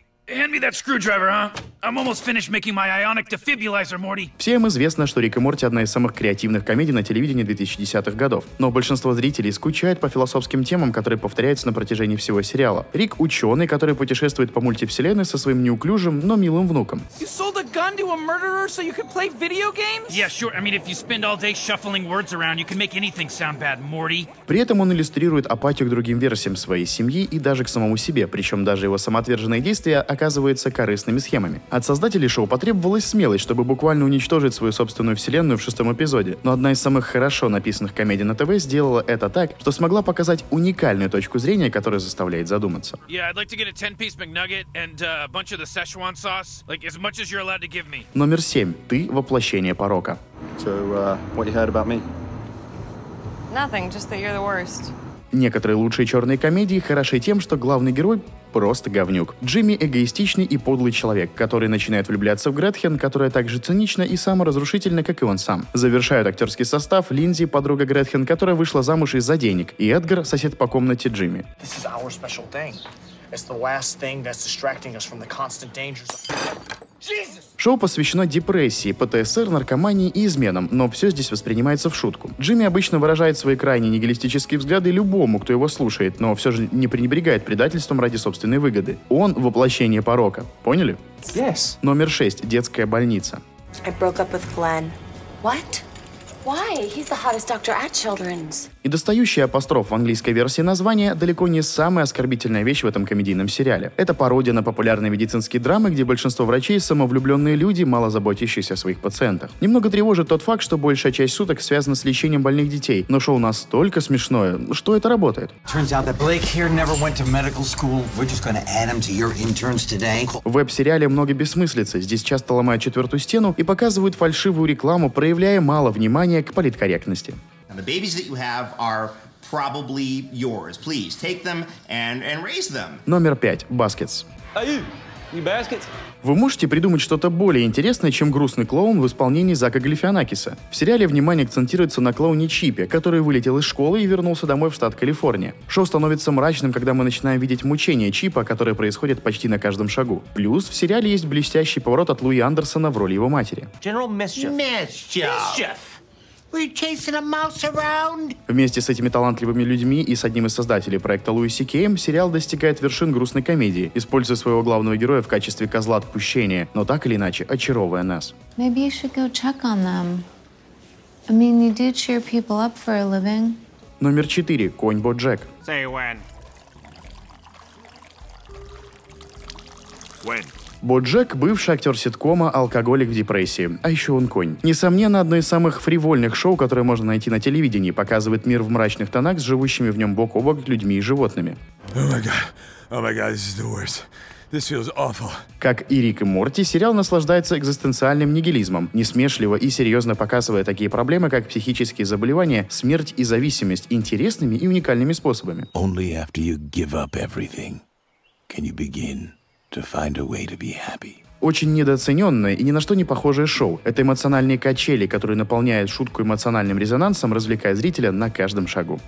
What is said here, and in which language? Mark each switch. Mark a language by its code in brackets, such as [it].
[ru] Всем известно, что Рик и Морти одна из самых креативных комедий на телевидении 2010-х годов. Но большинство зрителей скучает по философским темам, которые повторяются на протяжении всего сериала. Рик — ученый, который путешествует по мультивселенной со своим неуклюжим, но милым внуком. [en] You sold a gun to a murderer so you could play video games? Yeah, sure. I mean, if you spend all day shuffling words around, you can make anything sound bad, Morty. [ru] При этом он иллюстрирует апатию к другим версиям своей семьи и даже к самому себе, причем даже его самоотверженные действия оказываются корыстными схемами. От создателей шоу потребовалась смелость, чтобы буквально уничтожить свою собственную вселенную в 6 эпизоде. Но одна из самых хорошо написанных комедий на ТВ сделала это так, что смогла показать уникальную точку зрения, которая заставляет задуматься. [en] Yeah, I'd like to get a 10-piece McNugget and a bunch of the Szechuan sauce, like as much as you're allowed to give me. [ru] Номер 7. Ты – воплощение порока. [en] So, what you heard about me? Nothing, just that you're the worst. [ru] Некоторые лучшие черные комедии хороши тем, что главный герой — просто говнюк. Джимми — эгоистичный и подлый человек, который начинает влюбляться в Гретхен, которая так же цинична и саморазрушительна, как и он сам. Завершают актерский состав Линдзи, подруга Гретхен, которая вышла замуж из-за денег, и Эдгар — сосед по комнате Джимми. [en] This is our special thing. It's the last thing that's distracting us from the constant dangers of... Jesus! [ru] Шоу посвящено депрессии, ПТСР, наркомании и изменам, но все здесь воспринимается в шутку. Джимми обычно выражает свои крайне нигилистические взгляды любому, кто его слушает, но все же не пренебрегает предательством ради собственной выгоды. Он — воплощение порока. Поняли? [en] Yes. [ru] Номер 6. Детская больница. [en] I broke up with Glenn. What? Why? He's the hottest doctor at Children's. [ru] И достающий апостроф в английской версии названия далеко не самая оскорбительная вещь в этом комедийном сериале. Это пародия на популярные медицинские драмы, где большинство врачей – самовлюбленные люди, мало заботящиеся о своих пациентах. Немного тревожит тот факт, что большая часть суток связана с лечением больных детей, но шоу настолько смешное, что это работает. В веб-сериале много бессмыслицы, здесь часто ломают четвертую стену и показывают фальшивую рекламу, проявляя мало внимания к политкорректности. [en] And the babies that you have are probably yours. Please take them and raise them. [ru] Номер 5. Baskets. [en] Hey, you baskets? [ru] Вы можете придумать что-то более интересное, чем грустный клоун в исполнении Зака Галифианакиса. В сериале внимание акцентируется на клоуне Чипе, который вылетел из школы и вернулся домой в штат Калифорния. Шоу становится мрачным, когда мы начинаем видеть мучения Чипа, которые происходят почти на каждом шагу. Плюс в сериале есть блестящий поворот от Луи Андерсона в роли его матери. [en] General Mischief. Mischief. Mischief. Were you chasing a mouse around? [ru] Вместе с этими талантливыми людьми и с одним из создателей проекта Луи Си Кейм сериал достигает вершин грустной комедии, используя своего главного героя в качестве козла отпущения, но так или иначе очаровывая нас. [en] Maybe you should go check on them. I mean, you do cheer people up for a living. [ru] Номер 4. Конь Боджек. [en] Say when. When. [ru] Боджек — бывший актер ситкома, алкоголик в депрессии. А еще он конь. Несомненно, одно из самых фривольных шоу, которое можно найти на телевидении, показывает мир в мрачных тонах с живущими в нем бок о бок людьми и животными. Как и Рик и Морти, сериал наслаждается экзистенциальным нигилизмом, несмешливо и серьезно показывая такие проблемы, как психические заболевания, смерть и зависимость, интересными и уникальными способами. [en] Only after you give up everything can you begin to find a way to be happy. [ru] Очень недооцененное и ни на что не похожее шоу. Это эмоциональные качели, которые наполняют шутку эмоциональным резонансом, развлекая зрителя на каждом шагу.